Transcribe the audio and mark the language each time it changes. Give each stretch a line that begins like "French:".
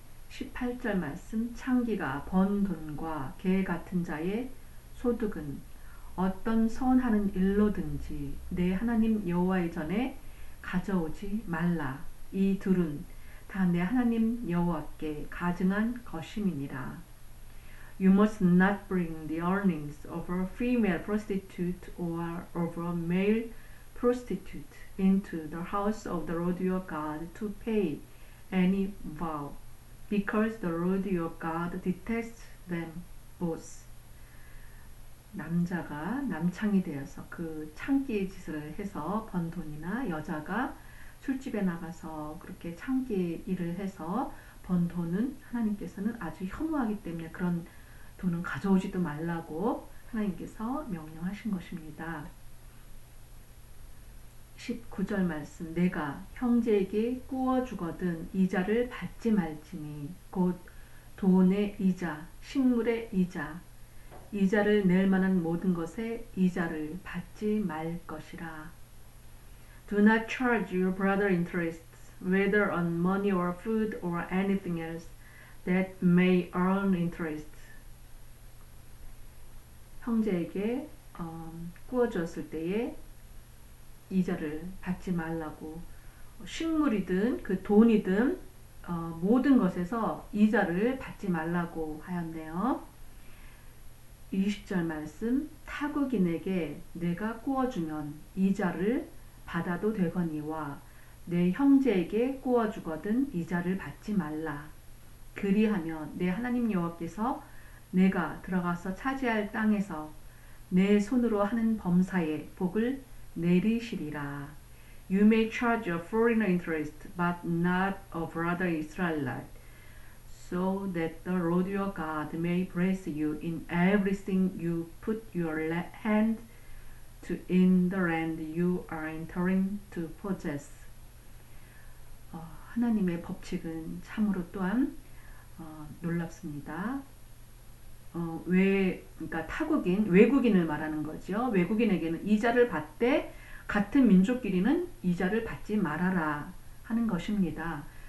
Korean: 18절 말씀 창기가 번 돈과 개 같은 자의 소득은 어떤 선하는 일로든지 내 하나님 여호와의 전에 가져오지 말라. 이 둘은 다 내 하나님 여호와께 가증한 것임이니라.
English: You must not bring the earnings of a female prostitute or of a male prostitute into the house of the Lord your God to pay any vow, because the Lord your God detests them both.
Korean: 남자가 남창이 되어서 그 창기의 짓을 해서 번 돈이나 여자가 술집에 나가서 그렇게 창기 일을 해서 번 돈은 하나님께서는 아주 혐오하기 때문에 그런 돈은 가져오지도 말라고 하나님께서 명령하신 것입니다. 19절 말씀 내가 형제에게 꾸어 주거든 이자를 받지 말지니 곧 돈의 이자, 식물의 이자, 이자를 낼 만한 모든 것에 이자를 받지 말 것이라.
English: Do not charge your brother interest, whether on money or food or anything else that may earn interest.
Korean: 형제에게 꾸어줬을 때에 이자를 받지 말라고 식물이든 그 돈이든 모든 것에서 이자를 받지 말라고 하였네요. 20절 말씀 타국인에게 내가 꾸어주면 이자를 받아도 되거니와 내 형제에게 꾸어주거든 이자를 받지 말라. 그리하면 내 하나님 여호와께서 내가 들어가서 차지할 땅에서 내 손으로 하는 범사에 복을 내리시리라.
English: You may charge a foreigner interest, but not a brother Israelite, so that the Lord your God may bless you in everything you put your hand to in the land you are entering to possess.
Korean: 하나님의 법칙은 참으로 또한 놀랍습니다. 그러니까 타국인, 외국인을 말하는 거죠. 외국인에게는 이자를 받되 같은 민족끼리는 이자를 받지 말아라 하는 것입니다.